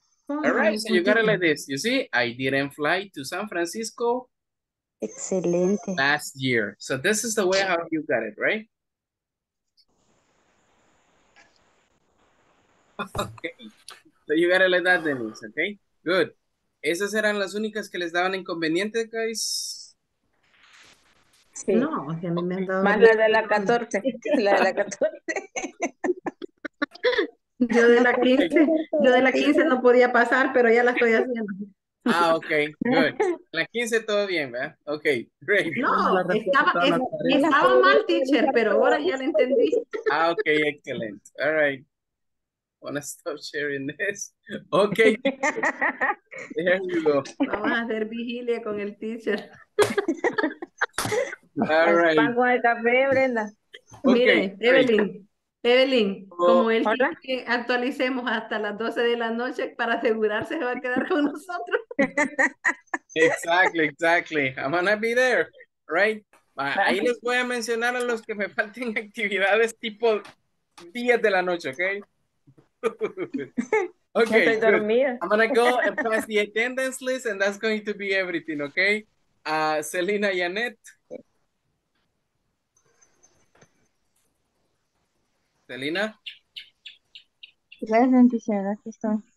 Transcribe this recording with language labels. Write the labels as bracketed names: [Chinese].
[English] All right, so you got it like this. You see, I didn't fly to San Francisco. [Spanish] Excelente. [English] Last year. So this is the way how you got it, right? Okay. So you gotta let that, Denise, okay? Good. [Spanish] ¿Esas eran las únicas que les daban inconveniente, guys? Sí. No, que a mí me han dado... Más la de la 14. La de la 14. Yo de la 15. Yo de la 15 no podía pasar, pero ya la estoy haciendo. Ah, ok. Good. La 15 todo bien, ¿verdad? Ok, great. No, estaba mal, teacher, pero ahora ya la entendí. [English] Ah, ok, excelente. All right. Wanna stop sharing this? Okay. There you go. [Spanish] Vamos a hacer vigilia con el teacher. [English] All right. [Spanish] Pago de café, Brenda. Okay, mire, Evelyn. Evelyn, como él dice que actualicemos hasta las 12 de la noche para asegurarse que va a quedar con nosotros. [English] Exactly, exactly. I'm gonna be there, right? [Spanish] Ahí les voy a mencionar a los que me falten actividades tipo 10 de la noche, okay? [English] Okay, I'm gonna go and pass the attendance list, and that's going to be everything, okay? Selena Yanet. Selena? [Spanish] Present, teacher, aquí estoy.